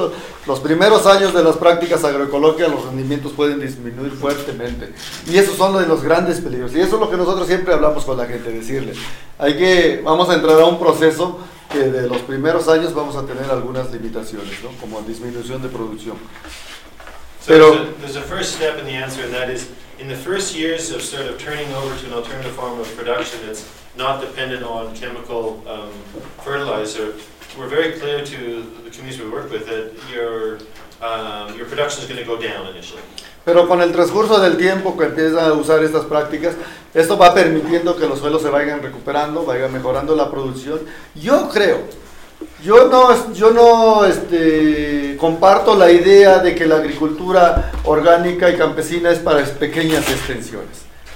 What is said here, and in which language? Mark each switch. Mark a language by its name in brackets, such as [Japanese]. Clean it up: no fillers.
[Spanish] Entonces, los primeros años de las prácticas agroecológicas, los rendimientos pueden disminuir fuertemente. Y esos son de los grandes peligros. Y eso es lo que nosotros siempre hablamos con la gente, decirle. Vamos a entrar a un proceso que de los primeros años vamos a tener algunas limitaciones, ¿no? Como disminución de producción. Pero, [English] there's a first step in the answer, and that is, in the first years of sort of turning over to an alternative form of production that's not dependent on chemical fertilizer, we're very clear to the communities we work with that your production is going to go down initially. [Spanish] Pero con el transcurso del tiempo que empiezan a usar estas prácticas, esto va permitiendo que los suelos se vayan recuperando, vayan mejorando la producción. Yo creo, yo no comparto la idea de que la agricultura orgánica y campesina es para pequeñas extensiones.